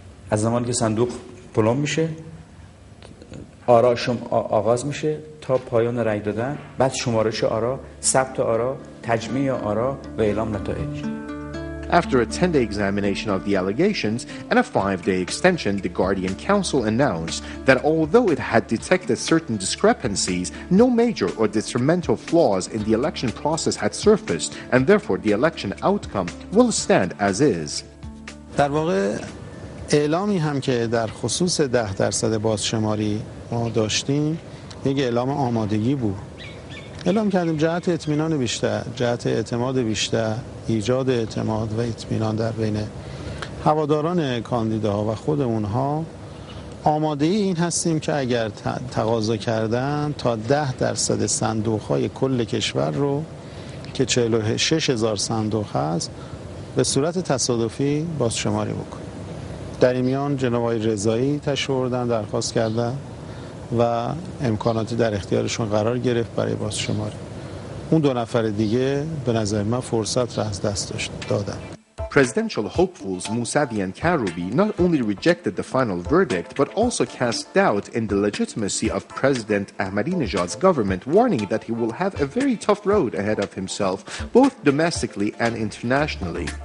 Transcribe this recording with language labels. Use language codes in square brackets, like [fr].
[fa] از زمانی که صندوق پلم میشه، آرا آغاز میشه تا پایان رای دادن، بعد شمارش آرا، ثبت آرا، تجمیع آرا و اعلام نتایج. [en] After a 10-day examination of the allegations and a 5-day extension, the Guardian Council announced that although it had detected certain discrepancies, no major or detrimental flaws in the election process had surfaced, and therefore the election outcome will stand as is. [fa] در واقع اعلامی هم که در خصوص 10% بازشماری ما داشتیم یک اعلام آمادگی بود. اعلام کردیم جهت اطمینان بیشتر، جهت اعتماد بیشتر، ایجاد اعتماد و اطمینان در بین هواداران کاندیداها و خود اونها، آماده این هستیم که اگر تقاضا کردن تا 10% صندوق‌های کل کشور رو که 46,000 صندوق هست به صورت تصادفی بازشماری بکنیم. در این میان جناب آقای رضایی تشریف آوردن، درخواست کردن و امکاناتی در اختیارشون قرار گرفت برای بازشماری. اون دو نفر دیگه به نظر من فرصت را از دست دادن. [en] Presidential hopefuls Mousavi and Karoubi not only rejected the final verdict but also cast doubt in the legitimacy of President Ahmadinejad's government, warning that he will have a very tough road ahead of himself both domestically and internationally.